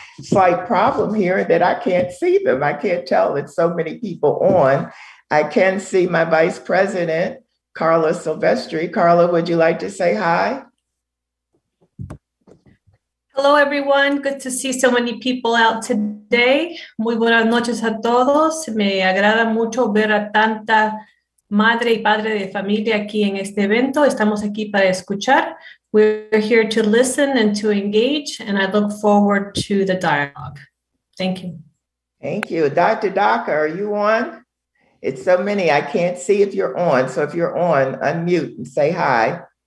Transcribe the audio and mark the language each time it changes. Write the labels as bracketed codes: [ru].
[en] Slight problem here that I can't see them. I can't tell that so many people on. I can see my vice president, Carla Silvestri. Carla, would you like to say hi? Hello, everyone. Good to see so many people out today. [es] Muy buenas noches a todos. Me agrada mucho ver a tanta madre y padre de familia aquí en este evento. Estamos aquí para escuchar. [en] We're here to listen and to engage, and I look forward to the dialogue. Thank you. Thank you. Dr. Docker, are you on? It's so many, I can't see if you're on. So if you're on, unmute and say hi.